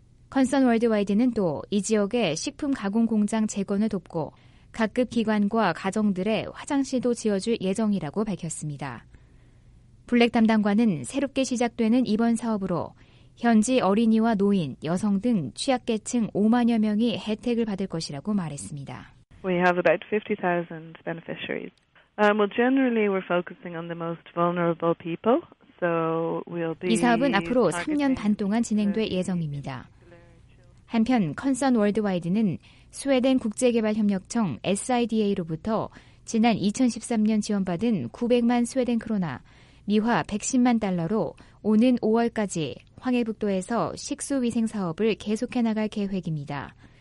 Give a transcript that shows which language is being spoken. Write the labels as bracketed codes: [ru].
[ko] 컨선 월드와이드는 또 이 지역의 식품 가공 공장 재건을 돕고 각급 기관과 가정들의 화장실도 지어줄 예정이라고 밝혔습니다. 블랙 담당관은 새롭게 시작되는 이번 사업으로 현지 어린이와 노인, 여성 등 취약계층 5만여 명이 혜택을 받을 것이라고 말했습니다. [en] We have about 50,000 beneficiaries. Well, generally we're focusing on the most vulnerable people. So we'll be [ko] 이 사업은 앞으로 3년 반 동안 진행될 예정입니다. 한편 컨선 월드와이드는 스웨덴 국제개발협력청 SIDA로부터 지난 2013년 지원받은 900만 스웨덴 크로나, 미화 110만 달러로 오는 5월까지 황해북도에서 식수위생 사업을 계속해 나갈 계획입니다.